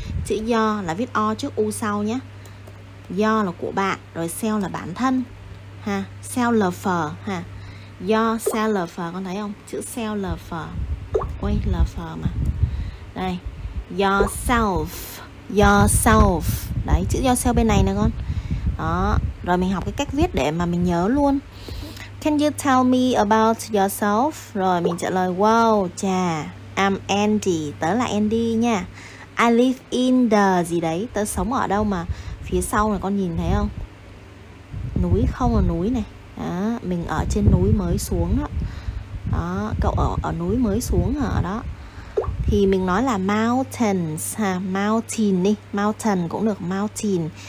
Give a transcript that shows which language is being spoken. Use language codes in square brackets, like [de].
[vi] Chữ your là viết o trước u sau nhé. Do là của bạn, rồi self là bản thân ha, self ha. Yourself, con thấy không? Chữ self. Ôi, self mà. Đây. Yourself. Yourself. Đấy, chữ yourself bên này nè con. Đó, rồi mình học cái cách viết để mà mình nhớ luôn. [en] Can you tell me about yourself? [vi] Rồi mình trả lời wow, chà. [en] I'm Andy, [vi] tớ là Andy nha. [en] I live in the [vi] gì đấy, tớ sống ở đâu mà phía sau này con nhìn thấy không? Núi không là núi này. Đó, mình ở trên núi mới xuống đó. Đó, cậu ở núi mới xuống ở đó. Thì mình nói là mountains ha, mountain đi, mountain cũng được, mountain.